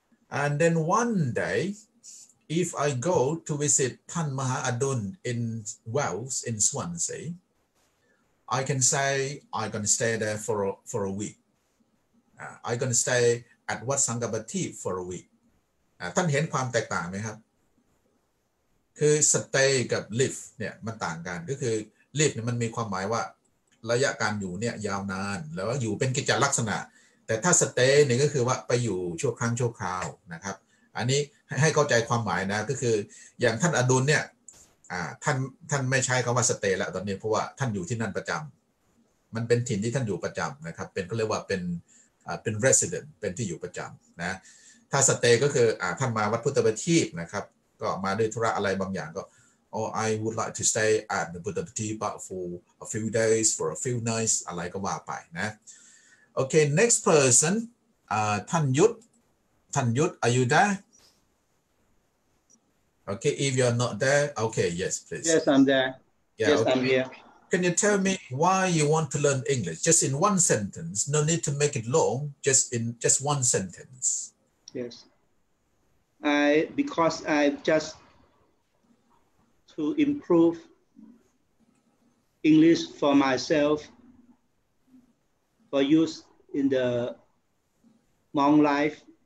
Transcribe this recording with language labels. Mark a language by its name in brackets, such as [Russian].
[English] And then one day, if I go to visit Than Mahadun in Wells, in Swansea, I can say I'm going to stay there for a week. I'm going to stay at Wat Sankhapathip for a week. [Thai] ท่านเห็นความแตกต่างไหมครับคือ stay กับ live เนี่ยมันต่างกันก็คือ live เนี่ยมันมีความหมายว่าระยะการอยู่เนี่ยยาวนานแล้วอยู่เป็นกิจลักษณะแต่ถ้า stay เนี่ยก็คือว่าไปอยู่ชั่วครั้งชั่วคราวนะครับอันนี้ให้เข้าใจความหมายนะก็คืออย่างท่านอดุลเนี่ย ท่านไม่ใช้คำว่า stay ละตอนนี้เพราะว่าท่านอยู่ที่นั่นประจำมันเป็นถิ่นที่ท่านอยู่ประจำนะครับเป็นก็เรียกว่า เป็น resident เป็นที่อยู่ประจำนะถ้า stay ก็คือท่านมาวัดพุทธบัณฑิตนะครับก็มาด้วยธุระอะไรบางอย่างก็ [English] oh I would like to stay at the Buddha Patipa for a few days for a few nights [Thai] อะไรก็ว่าไปนะโอเค [English] next person [Thai] ท่านยุทธ [English] are you there okay if you're not there okay yes please yes I'm there yeah, yes okay. I'm here can you tell me why you want to learn English just in one sentence no need to make it long just one sentence yesBecause I just to improve English for myself for use in the monk life.